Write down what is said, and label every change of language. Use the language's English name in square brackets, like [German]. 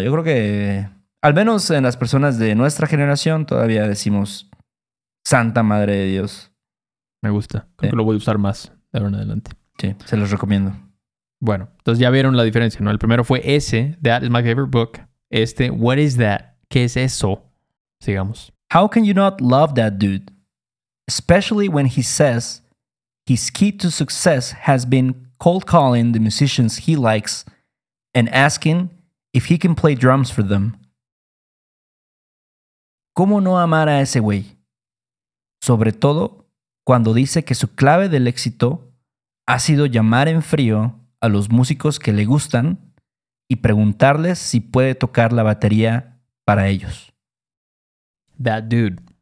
[Spanish] Yo creo que al menos en las personas de nuestra generación todavía decimos Santa Madre de Dios. Me gusta. Creo que lo voy a usar más de ahora en adelante. Sí, se los recomiendo. Bueno, entonces ya vieron la diferencia, ¿no? El primero fue ese, [English] That is my favorite book. [Spanish] Este, [English] What is that? [Spanish] ¿Qué es eso? Sigamos. [English] How can you not love that dude? Especially when he says his key to success has been cold calling the musicians he likes and asking if he can play drums for them. [Spanish] ¿Cómo no amar a ese güey? Sobre todo cuando dice que su clave del éxito ha sido llamar en frío a los músicos que le gustan y preguntarles si puede tocar la batería para ellos. [English] That dude.